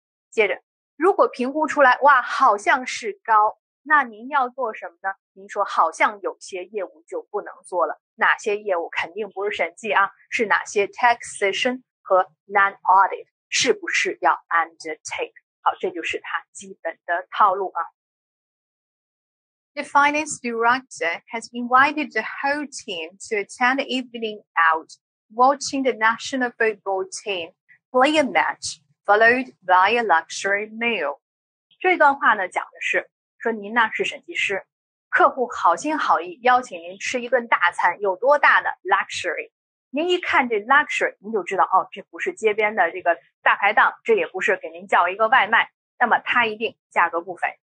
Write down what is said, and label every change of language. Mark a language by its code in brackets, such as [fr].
[zh] 接着如果评估出来哇好像是高，那您要做什么呢？您说好像有些业务就不能做了，哪些业务肯定不是审计啊，是哪些 taxation 和 non-audit 是不是要 undertake。好，这就是它基本的套路啊。 [en] The finance director has invited the whole team to attend the evening out watching the national football team play a match followed by a luxury meal. [zh] 这段话呢讲的是说您呢是审计师，客户好心好意邀请您吃一顿大餐，有多大呢？ Luxury，您一看这 luxury， 您就知道哦，这不是街边的这个大排档，这也不是给您叫一个外卖，那么它一定价格不菲。